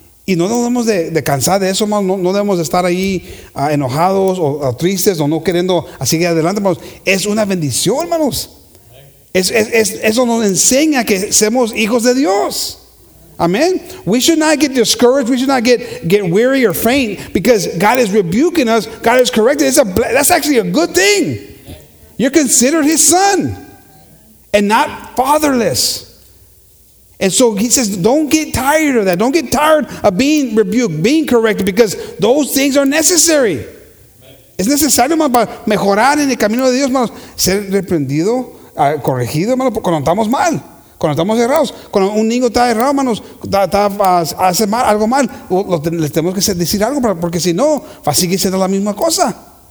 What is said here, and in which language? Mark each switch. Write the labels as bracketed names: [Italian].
[Spanish] Y no nos debemos de cansar de eso, hermanos. No debemos de estar ahí enojados o tristes o no queriendo seguir adelante, hermanos. Es una bendición, hermanos. Eso nos enseña que somos hijos de Dios. [English] Amen. We should not get discouraged. We should not get weary or faint because God is rebuking us. God is correcting. That's actually a good thing. You're considered his son and not fatherless. And so he says, don't get tired of that. Don't get tired of being rebuked, being corrected, because those things are necessary. [Spanish] Es necesario, hermano, para mejorar en el camino de Dios, hermano, ser reprendido, corregido, hermano, cuando estamos mal, cuando estamos errados. Cuando un niño está errado, hermano, hace mal, algo mal, le tenemos que decir algo, porque si no, va a seguir siendo la misma cosa.